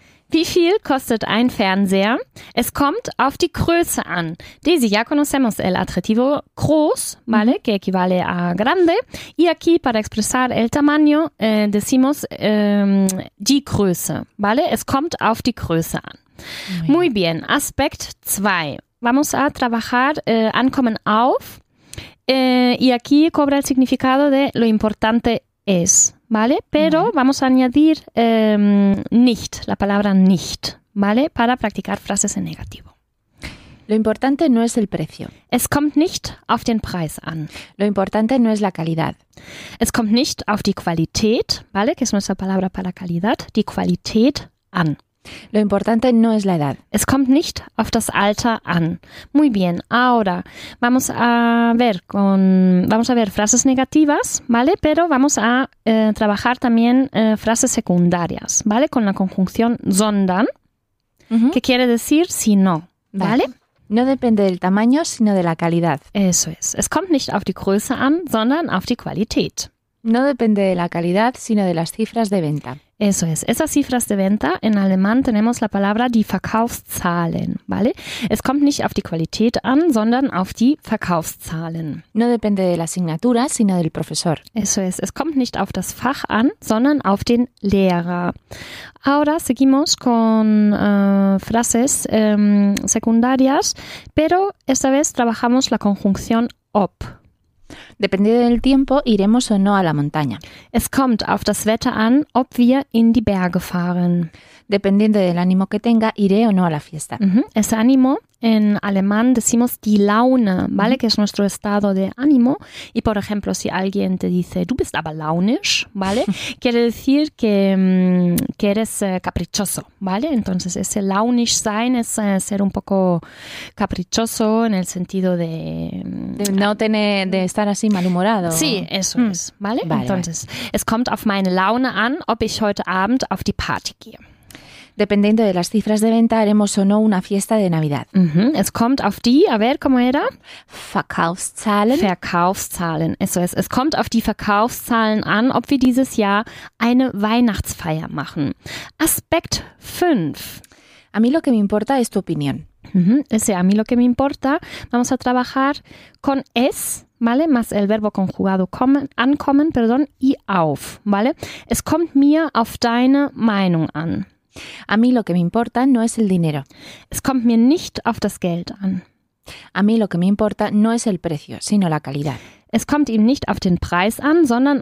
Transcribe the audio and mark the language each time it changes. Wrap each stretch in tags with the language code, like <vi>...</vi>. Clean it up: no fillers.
<de>Wie viel kostet ein Fernseher? Es kommt auf die Größe an.</de> <es>Daisy, ya conocemos el adjetivo groß, ¿vale? Que equivale a grande. Y aquí, para expresar el tamaño, decimos die Größe, ¿vale?</es> <de>Es kommt auf die Größe an.</de> <es>Muy bien. Aspect 2. Vamos a trabajar ankommen auf. Y aquí cobra el significado de lo importante es. ¿Vale? Pero vamos a añadir nicht, la palabra nicht, ¿vale? Para practicar frases en negativo. Lo importante no es el precio.</es> <de>Es kommt nicht auf den Preis an.</de> <es>Lo importante no es la calidad.</es> <de>Es kommt nicht auf die Qualität, ¿vale?</de> <es>Que es nuestra palabra para calidad,</es> <de>die Qualität an.</de> <es>Lo importante no es la edad.</es> <de>Es kommt nicht auf das Alter an.</de> <es>Muy bien. Ahora vamos a ver frases negativas, ¿vale? Pero vamos a trabajar también frases secundarias, ¿vale? Con la conjunción sondern, que quiere decir si no, ¿vale? No depende del tamaño, sino de la calidad. Eso es.</es> <de>Es kommt nicht auf die Größe an, sondern auf die Qualität.</de> <es>No depende de la calidad, sino de las cifras de venta. Eso es. Esas cifras de venta, en alemán tenemos la palabra die Verkaufszahlen, ¿vale?</es> <de>Es kommt nicht auf die Qualität an, sondern auf die Verkaufszahlen.</de> <es>No depende de la asignatura, sino del profesor. Eso es.</es> <de>Es kommt nicht auf das Fach an, sondern auf den Lehrer.</de> <es>Ahora seguimos con frases secundarias, pero esta vez trabajamos la conjunción ob. Dependiendo del tiempo, iremos o no a la montaña.</es> <de>Es kommt auf das Wetter an, ob wir in die Berge fahren.</de> <es>Dependiendo del ánimo que tenga, iré o no a la fiesta. Uh-huh. Ese ánimo, en alemán decimos die Laune, ¿vale? Uh-huh. Que es nuestro estado de ánimo. Y por ejemplo, si alguien te dice,</es> <de>du bist aber launisch,</de> <es>¿vale? Quiere decir que eres caprichoso, ¿vale? Entonces, ese launisch sein es ser un poco caprichoso en el sentido de... De estar así malhumorado. Sí, eso es, ¿vale? Vale.</es> <de>Entonces, es kommt auf meine Laune an, ob ich heute Abend auf die Party gehe.</de> <es>Dependiendo de las cifras de venta, haremos o no una fiesta de Navidad. Uh-huh.</es> <de>Es kommt auf die,</de> <es>a ver, ¿cómo era?</es> <de>Verkaufszahlen.</de> <es>Verkaufszahlen, eso es.</es> <de>Es kommt auf die Verkaufszahlen an, ob wir dieses Jahr eine Weihnachtsfeier machen. Aspekt 5.</de> <es>A mí lo que me importa es tu opinión. Uh-huh. Ese a mí lo que me importa, vamos a trabajar con es, ¿vale? Más el verbo conjugado ankommen, y auf, ¿vale?</es> <de>Es kommt mir auf deine Meinung an.</de> <es>A mí lo que me importa no es el dinero.</es> <de>Es kommt mir nicht auf das Geld an.</de> <es>A mí lo que me importa no es el precio, sino la calidad.</es> <de>Es kommt ihm nicht auf den Preis an, sondern</de>